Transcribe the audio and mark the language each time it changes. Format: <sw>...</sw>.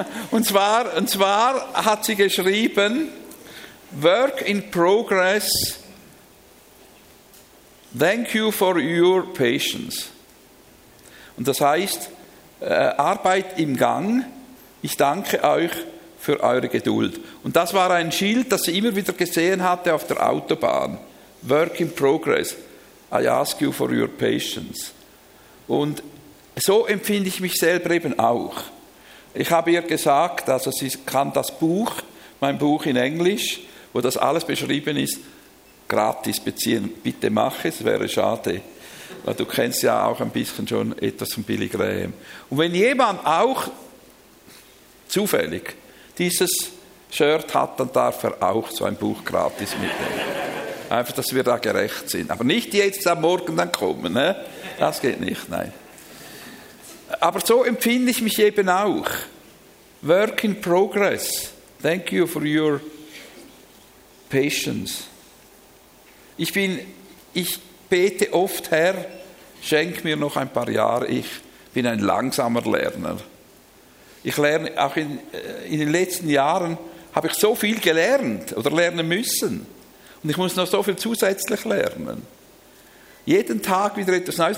<de>Und zwar hat sie geschrieben,</de> <en>Work in Progress, thank you for your patience.</en> <de>Und das heißt, Arbeit im Gang, ich danke euch für eure Geduld. Und das war ein Schild, das sie immer wieder gesehen hatte auf der Autobahn.</de> <en>Work in Progress, I ask you for your patience.</en> <de>Und so empfinde ich mich selber eben auch. Ich habe ihr gesagt, also sie kann das Buch, mein Buch in Englisch, wo das alles beschrieben ist, gratis beziehen. Bitte mach es, wäre schade. Weil du kennst ja auch ein bisschen schon etwas von Billy Graham. Und wenn jemand auch zufällig dieses Shirt hat, dann darf er auch so ein Buch gratis mitnehmen. Einfach, dass wir da gerecht sind. Aber nicht jetzt am Morgen dann kommen. Ne? Das geht nicht, nein. Aber so empfinde ich mich eben auch.</de> <en>Work in progress. Thank you for your patience.</en> <de>Ich bete oft, Herr, schenk mir noch ein paar Jahre. Ich bin ein langsamer Lerner. Ich lerne auch in den letzten Jahren, habe ich so viel gelernt oder lernen müssen. Und ich muss noch so viel zusätzlich lernen. Jeden Tag wieder etwas Neues.</de>